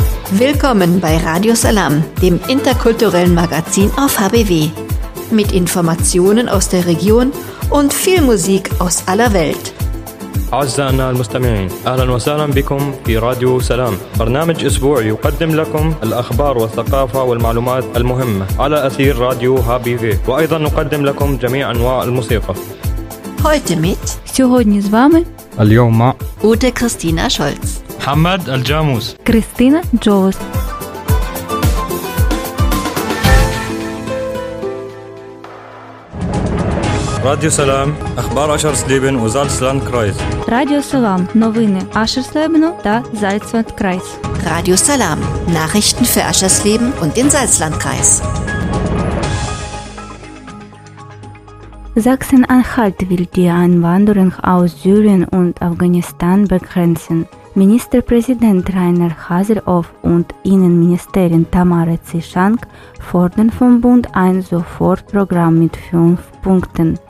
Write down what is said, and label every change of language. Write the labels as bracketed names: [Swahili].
[German] Willkommen bei Radio Salam, dem interkulturellen Magazin auf HBW. Mit Informationen aus der Region und viel Musik aus aller Welt. [Arabic] أعزائنا المستمعين أهلا وسهلا بكم في راديو سلام برنامج أسبوعي يقدم لكم الأخبار والثقافة والمعلومات المهمة على أثير راديو هابي في وأيضا نقدم لكم جميع أنواع الموسيقى [German] Heute mit [Russian] Сегодня с вами [Arabic] اليوم مع [German] Ute Christina Scholz [Arabic] محمد الجاموس [German] Christina Jones [Ukrainian] Радіо Салам, Ахбар Ашерслібен у Зальцландкрайс. Радіо Салам, новини Ашерслібену та Зальцландкрайс. [German] Радіо Салам, Nachrichten für Ашерслібен und den Salzlandkreis. Sachsen-Anhalt will die Einwanderung aus Syrien und Afghanistan begrenzen. Ministerpräsident Rainer Haseloff und Innenministerin Tamara Tsishang fordern vom Bund ein Sofortprogramm mit 5 Punkten.